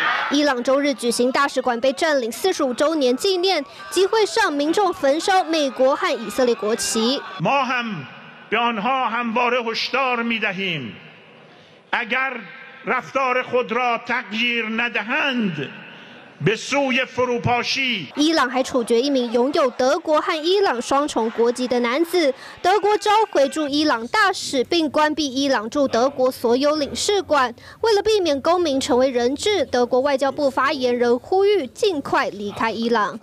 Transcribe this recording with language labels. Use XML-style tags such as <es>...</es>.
<zh>伊朗周日举行大使馆被占领45周年纪念集会上，民众焚烧美国和以色列国旗。</zh> <fa>به آنها همواره هشدار می‌دهیم اگر رفتار خود را تغییر ندهند به سوی فروپاشی.</fa> <zh>伊朗还处决一名拥有德国和伊朗双重国籍的男子，德国召回驻伊朗大使，并关闭伊朗驻德国所有领事馆。为了避免公民成为人质，德国外交部发言人呼吁尽快离开伊朗。</zh>